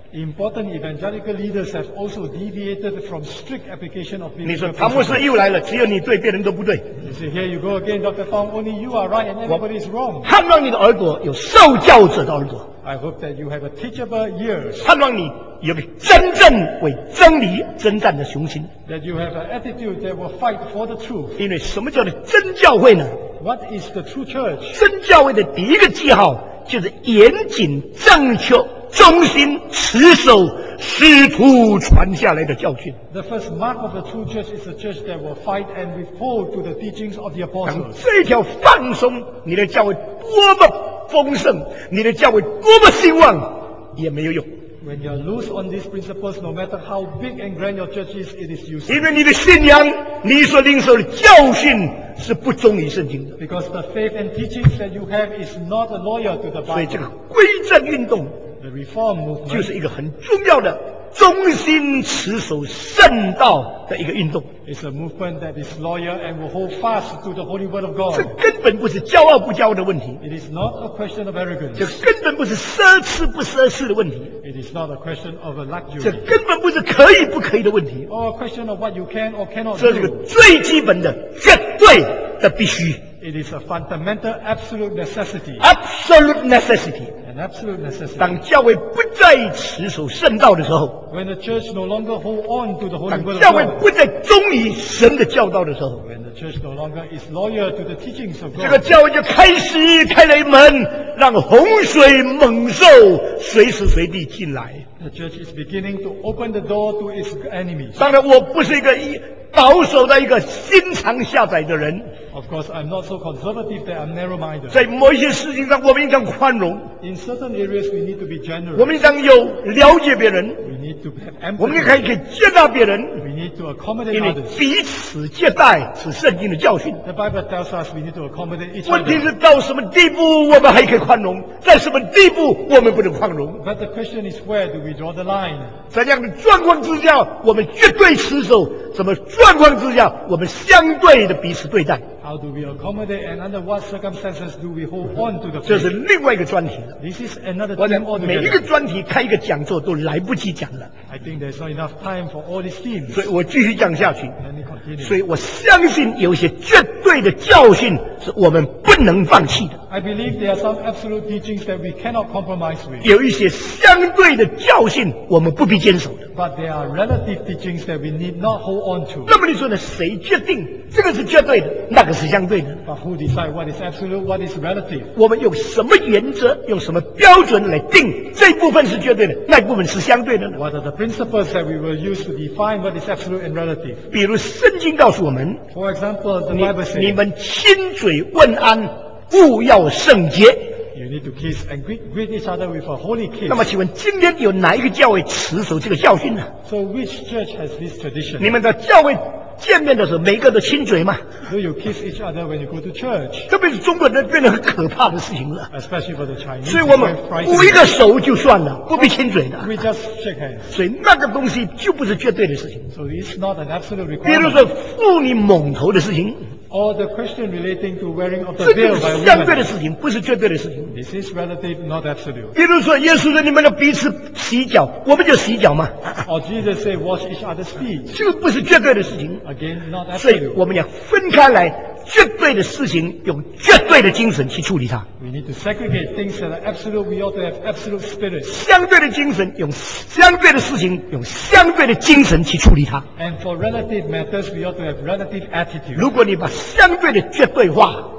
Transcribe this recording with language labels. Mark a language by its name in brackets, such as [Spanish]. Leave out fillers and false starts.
[English] Important evangelical leaders have also deviated from strict application of biblical principles. [Chinese] 你说唐牧师又来了，只有你对，别人都不对。 [English] You see, here you go again, Dr. Fong. Only you are right and everybody is wrong. [Chinese] 盼望你的耳朵有受教者的耳朵。 [English] I hope that you have a teachable ears. [Chinese] 盼望你有真正为真理征战的雄心。 [English] That you have an attitude that will fight for the truth. [Chinese] 因为什么叫做真教会呢？ [English] What is the true church? [Chinese] 真教会的第一个记号就是严谨、正确、忠心、持守师徒传下来的教训。 [English] The first mark of the true church is a church that will fight and withhold to the teachings of the apostles. [Chinese] 这条放松，你的教会多么丰盛，你的教会多么兴旺，也没有用。 [English] When you are loose on these principles, no matter how big and grand your church is, it is useless. [Chinese] 因为你的信仰，你所领受的教训是不忠于圣经的。 [English] Because the faith and teachings that you have is not loyal to the Bible. [Chinese] 所以这个归正运动 [English] ，the reform movement， [Chinese] 就是一个很重要的忠心持守圣道的一个运动。 [English] It's a movement that is loyal and will hold fast to the holy word of God. [Chinese] 这根本不是骄傲不骄傲的问题。 [English] It is not a question of arrogance. [Chinese] 这根本不是奢侈不奢侈的问题。 [English] It is not a question of a luxury. [Chinese] 这根本不是可以不可以的问题。 [English] Or a question of what you can or cannot do. [Chinese] 这是个最基本的绝对的必须。 [English] It is a fundamental absolute necessity. Absolute necessity. An absolute necessity. [Chinese] 当教会不再持守圣道的时候， [English] When the church no longer hold on to the holy word of God. [Chinese] 当教会不再忠于神的教导的时候， [English] When the church no longer is loyal to the teachings of God. [Chinese] 这个教会就开始开了一门，让洪水猛兽随时随地进来。 [English] The church is beginning to open the door to its enemies. [Chinese] 当然我不是一个保守的一个心肠狭窄的人。 [English] Of course, I'm not so conservative that I'm narrow-minded. [Chinese] 在某一些事情上，我们应当宽容。 [English] In certain areas, we need to be generous. [Chinese] 我们应当有了解别人。 [English] We need to have empathy. [Chinese] 我们应该可以接纳别人。 [English] We need to accommodate others. [Chinese] 因为彼此接待是圣经的教训。 [English] The Bible tells us we need to accommodate each other. [Chinese] 问题是到什么地步我们还可以宽容？在什么地步我们不能宽容 [English] ？But the question is, where do we draw the line? [Chinese] 在这样的状况之下，我们绝对持守。什么状况之下，我们相对的彼此对待？ [English] How do we accommodate and under what circumstances do we hold on to the faith? [Chinese] 这是另外一个专题了。 [English] This is another theme altogether. [Chinese] 我每一个专题开一个讲座都来不及讲了。 [English] I think there's not enough time for all these themes. [Chinese] 所以我继续讲下去。 [English] Let me continue. [Chinese] 所以我相信有些绝对的教训是我们不能放弃的。 [English] I believe there are some absolute teachings that we cannot compromise with. [Chinese] 有一些相对的教训我们不必坚守的。 [English] But there are relative teachings that we need not hold on to. [Chinese] 那么你说呢？谁决定这个是绝对的，那个是相对的？ [English] But who decide what is absolute, what is relative? [Chinese] 我们用什么原则，用什么标准来定这部分是绝对的，那部分是相对的呢？ [English] What are the principles that we will use to define what is absolute and relative? [Chinese] 比如圣经告诉我们， [English] For example, the Bible says, [Chinese] 你们亲嘴问安，勿要圣洁。 [English] You need to kiss and greet each other with a holy kiss. [Chinese] 那么请问今天有哪一个教会持守这个教训呢？ [English] So which church has this tradition? [Chinese] 你们的教会见面的时候每个都亲嘴嘛。 [English] So you kiss each other when you go to church. [Chinese] 特别是中国人变得很可怕的事情了。 [English] Especially for the Chinese. [Chinese] 所以我们捂一个手就算了，不必亲嘴的。 [English] We just shake hands. [Chinese] 所以那个东西就不是绝对的事情。 [English] So it's not an absolute requirement. [Chinese] 比如说妇女蒙头的事情。 [English] Or the question relating to wearing of the veil by women. [Chinese] 相对的事情，不是绝对的事情。 [English] This is relative, not absolute. [Chinese] 比如说，耶稣说你们要彼此洗脚，我们就洗脚嘛。 [English] Or Jesus said, wash each other's feet. [Chinese] 就不是绝对的事情。 [English] Again, not absolute. [Chinese] 所以我们要分开来，绝对的事情用绝对的精神去处理它。 [English] We need to segregate things that are absolute. We ought to have absolute spirit. [Chinese] 相对的精神用相对的事情用相对的精神去处理它。 [English] And for relative matters, we ought to have relative attitude. [Chinese] 如果你把相对的绝对化，